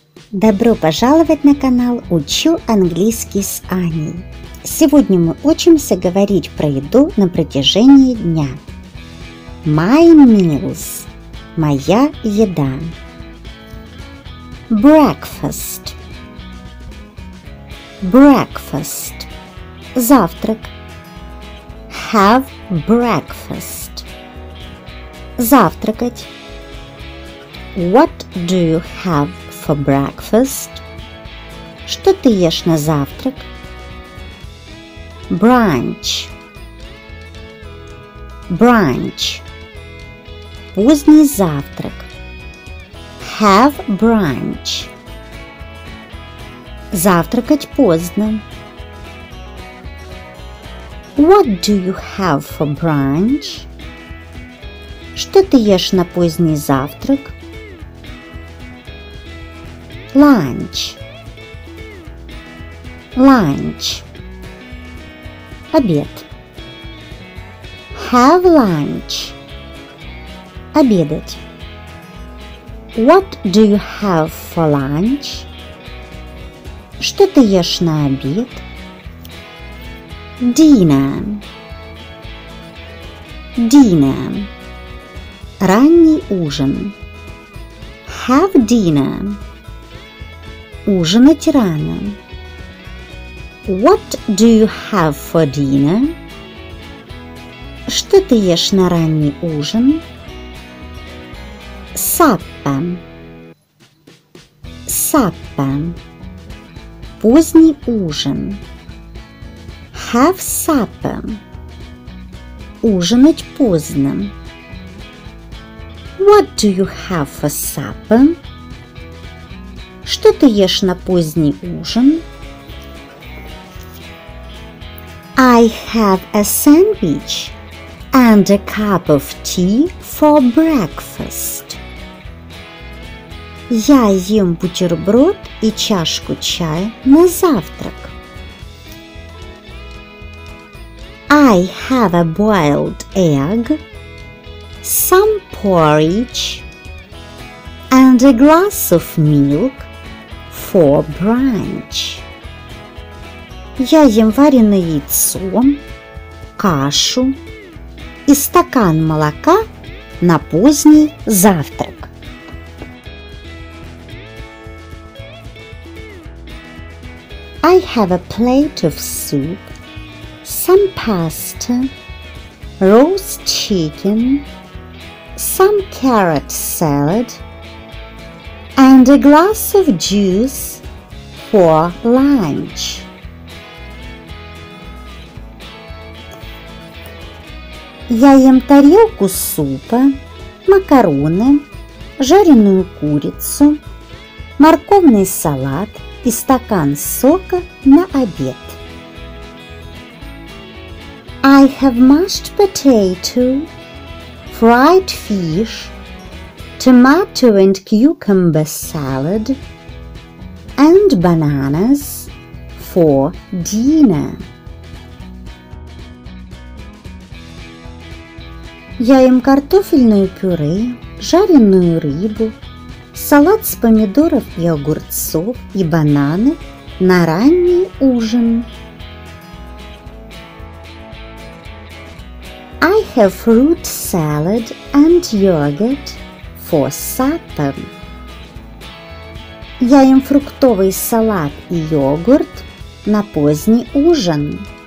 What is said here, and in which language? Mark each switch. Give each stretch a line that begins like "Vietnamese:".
Russian: Добро пожаловать на канал «Учу английский с Аней». Сегодня мы учимся говорить про еду на протяжении дня.
English: My meals –
Russian: моя еда.
English: Breakfast – breakfast –
Russian: завтрак.
English: Have breakfast –
Russian: завтракать.
English: What do you have for breakfast?
Russian: Что ты ешь на завтрак?
English: Brunch. Brunch.
Russian: Поздний завтрак.
English: Have brunch.
Russian: Завтракать поздно.
English: What do you have for brunch?
Russian: Что ты ешь на поздний завтрак?
English: Lunch. Lunch.
Russian: Обед.
English: Have lunch.
Russian: Обедать.
English: What do you have for lunch?
Russian: Что ты ешь на обед?
English: Dinner. Dinner.
Russian: Ранний ужин.
English: Have dinner.
Russian: Ужинать рано.
English: What do you have for dinner?
Russian: Что ты ешь на ранний ужин?
English: Supper. Supper.
Russian: Поздний ужин.
English: Have supper.
Russian: Ужинать поздно.
English: What do you have for supper?
Russian: Что ты ешь на поздний ужин?
English: I have a sandwich and a cup of tea for breakfast.
Russian: Я ем бутерброд и чашку чая на завтрак.
English: I have a boiled egg, some porridge, and a glass of milk for brunch.
Russian: Я ем вареное яйцо, кашу и стакан молока на поздний завтрак.
English: I have a plate of soup, some pasta, roast chicken, some carrot salad, and a glass of juice for lunch.
Russian: Я ем тарелку супа, макароны, жареную курицу, морковный салат и стакан сока на обед.
English: I have mashed potato, fried fish, tomato and cucumber salad, and bananas for dinner.
Russian: Я ем картофельное пюре, жареную рыбу, салат с помидоров и огурцов и бананы на ранний ужин.
English: I have fruit salad and yogurt for supper.
Russian: Я ем фруктовый салат и йогурт на поздний ужин.